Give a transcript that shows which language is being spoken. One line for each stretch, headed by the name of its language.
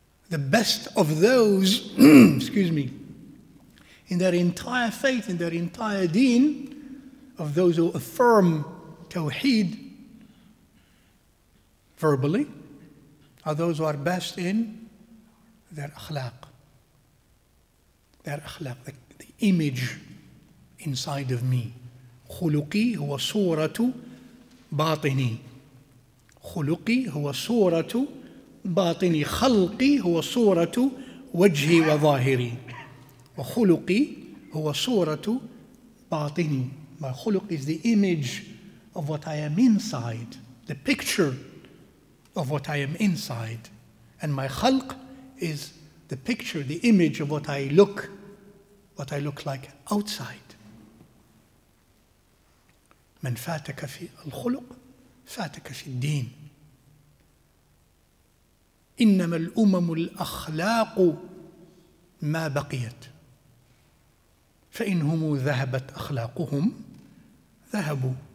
English: The best of those, excuse me, in their entire faith, in their entire deen, of those who affirm tawheed verbally, are those who are best in their akhlaq. Their akhlaq, the image inside of me.
Arabic: خلقي هو صورة باطني خلقي هو صورة باطني خلقي هو صورة وجهي وظاهري وخلقي هو صورة باطني.
English: My khuluq is the image of what I am inside, the picture of what I am inside, and my khalq is the picture, the image of what I look like outside.
Arabic: من فاتك في الخلق فاتك في الدين إنما الأمم الأخلاق ما بقيت فإنهم ذهبت أخلاقهم ذهبوا.